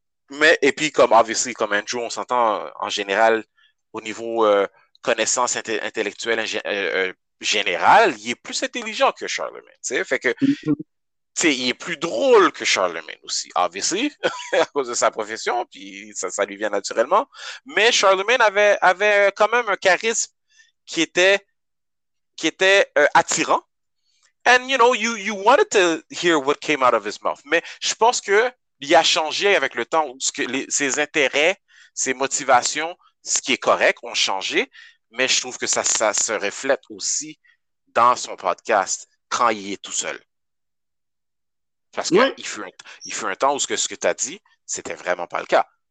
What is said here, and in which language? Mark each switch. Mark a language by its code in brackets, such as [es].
[fr] Mais, et puis comme, obviously, comme Andrew, on s'entend en général au niveau connaissance intellectuelle générale, il est plus intelligent que Charlemagne. T'sais, fait que, t'sais, il est plus drôle que Charlemagne aussi, obviously, à cause de sa profession, puis ça lui vient naturellement. Mais Charlemagne avait quand même un charisme qui était attirant. [en] And you know, you wanted to hear what came out of his mouth. [fr] Mais je pense que il a changé avec le temps. Ses intérêts, ses motivations, ce qui est correct, ont changé. Mais je trouve que ça se reflète aussi dans son podcast quand il est tout seul. Parce Oui. que il fut un temps où ce que tu as dit, c'était vraiment pas le cas.